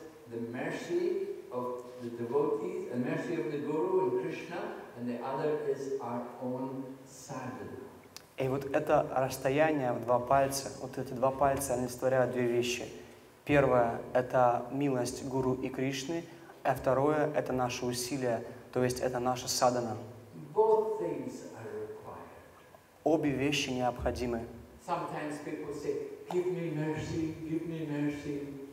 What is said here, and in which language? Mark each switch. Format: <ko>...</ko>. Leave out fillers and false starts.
<en>The mercy of the devotees, the mercy of the Guru and Krishna, and the other is our own sadhana.</en> <ru>И вот это расстояние в два пальца, вот эти два пальца, они створяют две вещи. Первое — это милость Гуру и Кришны, а второе — это наши усилия, то есть это наша садхана.</ru> <en>Both things are required.</en> <ru>Обе вещи необходимы.</ru> <en>Sometimes people say, give me mercy, give me mercy.</en>